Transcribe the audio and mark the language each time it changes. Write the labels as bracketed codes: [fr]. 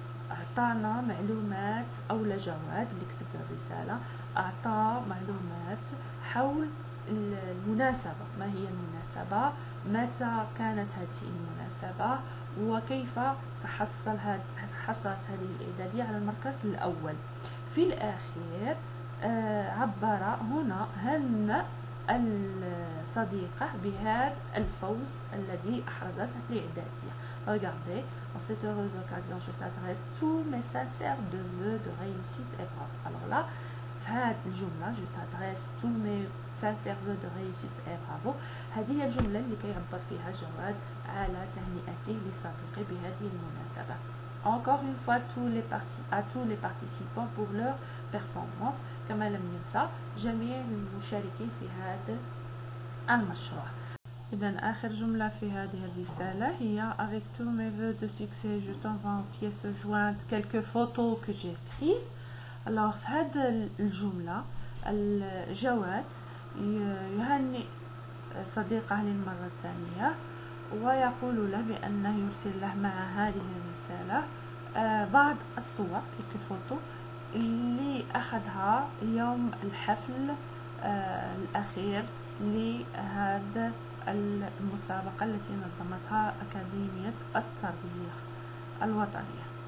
[ar] أعطانا معلومات أو لجواد اللي كتب له الرسالة، أعطاه معلومات حول المناسبة، ما هي المناسبة، متى كانت هذه المناسبة، وكيف تحصلت هذه الإعدادية على المركز الأول. في الأخير عبر هنا هم الصديقة بهذا الفوز الذي أحرزته في الإعدادية. [fr] Regardez, en cette heureuse occasion, je t'adresse tous mes sincères de vœux de réussite et bravo. Alors là, fait le jumla, je t'adresse tous mes sincères vœux de réussite et bravo. [ar] هذه هي الجملة اللي كيعبر فيها جواد على تهنئته لصديقه بهذه المناسبة. [fr] Encore une fois, à tous les participants pour leur performance. [ar] كما لم ينسى جميع المشاركين في هذا المشروع. إذن آخر جملة في هذه الرسالة هي [fr] avec tous mes vœux de succès, je t'envoie en pièce jointe quelques photos que j'ai prises. Alors [ar] في هذه الجملة الجواد يهني صديقه للمرة الثانية ويقول له بأنه يرسل له مع هذه الرسالة بعض الصور [fr] quelques photos [ar] اللي أخذها يوم الحفل الأخير لهذا المسابقة التي نظمتها أكاديمية التربية الوطنية.